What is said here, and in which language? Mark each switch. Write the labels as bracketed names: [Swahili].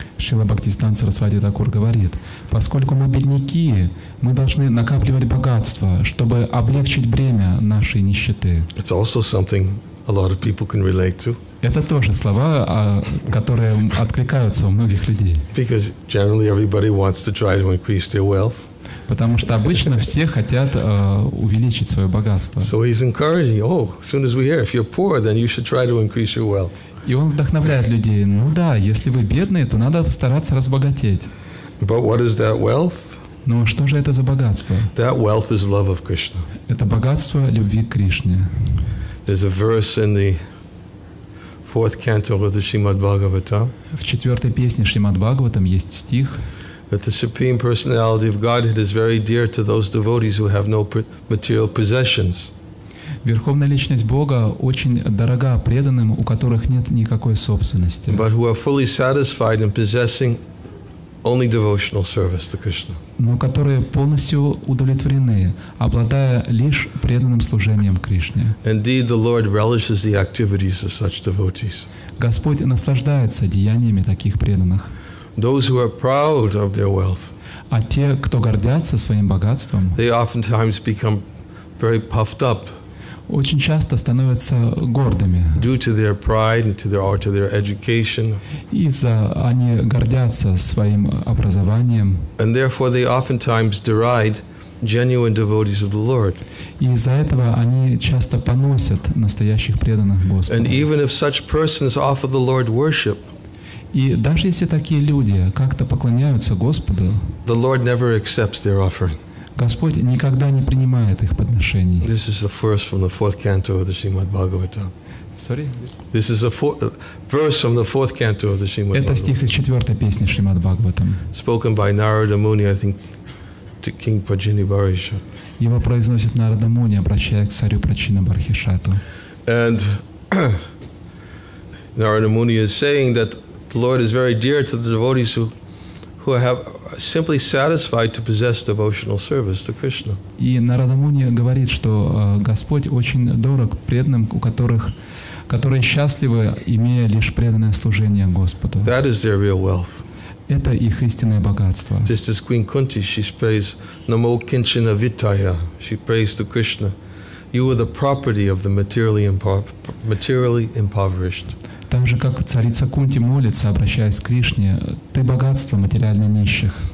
[Russian] Шрила Бхактисиддханта Сарасвати Такур говорит, поскольку мы бедняки, мы должны накапливать богатство, чтобы облегчить бремя нашей нищеты. [English] It's also something a lot of people can relate to. [Russian] Это тоже слова, которые откликаются у многих людей. [English] Because generally everybody wants to try to increase their wealth. [Russian] Потому что обычно все хотят увеличить свое богатство. [English] So he's encouraging, as soon as we hear, if you're poor, then you should try to increase your wealth. [Russian] И он вдохновляет людей, если вы бедные, то надо стараться разбогатеть. [English] But what is that wealth? [Russian] Но что же это за богатство? [English] That wealth is love of Krishna. [Russian] Это богатство любви к Кришне. [English] There's a verse in the fourth canto of the Srimad Bhagavatam. [Russian] В четвертой песне Шримад Бхагаватам есть стих. [English] That the supreme personality of Godhead is very dear to those devotees who have no material possessions. [Russian] Верховная личность Бога очень дорога преданным, у которых нет никакой собственности. [English] But who are fully satisfied in possessing only devotional service to Krishna. [Russian] Но которые полностью удовлетворены, обладая лишь преданным служением Кришне. [English] Indeed, the Lord relishes the activities of such devotees. [Russian] Господь наслаждается деяниями таких преданных. [English] Those who are proud of their wealth. [Russian] А те, кто гордятся своим богатством. [English] They oftentimes become very puffed up. [Russian] Очень часто становятся гордыми. [English] Due to their pride and to their education. [Russian] Из-за они гордятся своим образованием. [English] And therefore they oftentimes deride genuine devotees of the Lord. [Russian] И из-за этого они часто поносят настоящих преданных Господа. [English] And even if such persons offer the Lord worship. [Russian] И даже если такие люди как-то поклоняются Господу. [English] The Lord never accepts their offering. [Russian] Господь никогда не принимает их подношений. [English] This is the verse from the fourth canto of the Srimad Bhagavatam. Sorry. This is a verse from the fourth canto of the Srimad Bhagavatam. [Russian] Это стих из четвертой песни Шримад Бхагаватам. [English] Spoken by Narada Muni, I think, to King Pajinibharishat. [Russian] Его произносит Нарада Муни, обращаясь к царю Прачинабархишату. [English] And Narada Muni is saying that the Lord is very dear to the devotees who have simply satisfied to possess devotional service to Krishna. [Russian] И Нарада Муни говорит, что Господь очень дорог преданным, которые счастливы, имея лишь преданное служение Господу. [English] That is their real wealth. [Russian] Это их истинное богатство. [English] Just as Queen Kunti, she prays [Sanskrit] Namo Kinchana Vitaya. [English] She prays to Krishna, you are the property of the materially impoverished. [Russian] Так же, как царица Кунти молится, обращаясь к Кришне, «Ты богатство материально нищих».